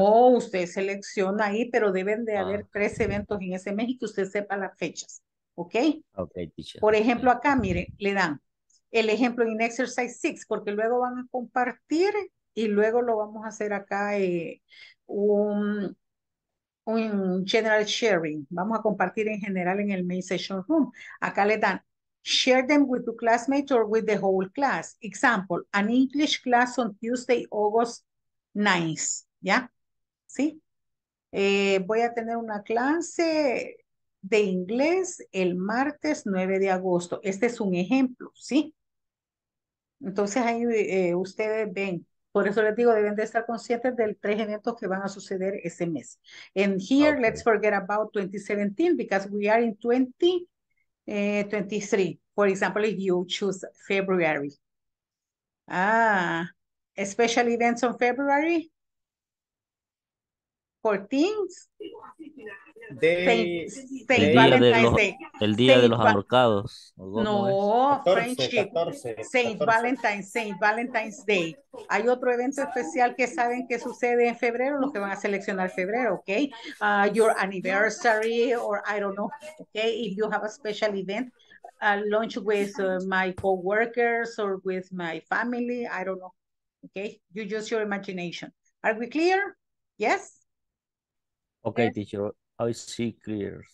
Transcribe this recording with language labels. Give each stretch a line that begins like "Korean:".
Spanish: No, usted selecciona ahí, pero deben de haber tres eventos en ese mes y que usted sepa las fechas, ¿ok?
English: Ok, teacher.
Spanish: Por ejemplo, acá, mire, le dan el ejemplo en Exercise 6, porque luego van a compartir y luego lo vamos a hacer acá un
English: general sharing.
Spanish: Vamos a compartir en general en el
English: main session room.
Spanish: Acá le dan,
English: share them with the classmates or with the whole class. Example, an English class on Tuesday, August 9th.
Spanish: ¿Ya? ¿Sí? Voy a tener una clase de inglés el martes 9 de agosto. Este es un ejemplo, ¿sí? Entonces ahí ustedes ven, por eso les digo, deben de estar conscientes del tres eventos que van a suceder ese mes.
English: And here, okay, let's forget about 2017 because we are in 2023. For example, if you choose February. Ah, special events on February. 14th,
Spanish: el día de los ahorcados. No,
English: 14, friendship. 14, Saint 14. Valentine's, Saint Valentine's Day.
Spanish: Hay otro evento especial que saben que sucede en febrero, los que van a seleccionar febrero, ¿ok?
English: Your anniversary, or I don't know, ¿ok? If you have a special event, lunch with my co-workers or with my family, I don't know, ¿ok? You use your imagination. Are we clear? Yes. Okay, teacher, I see clear.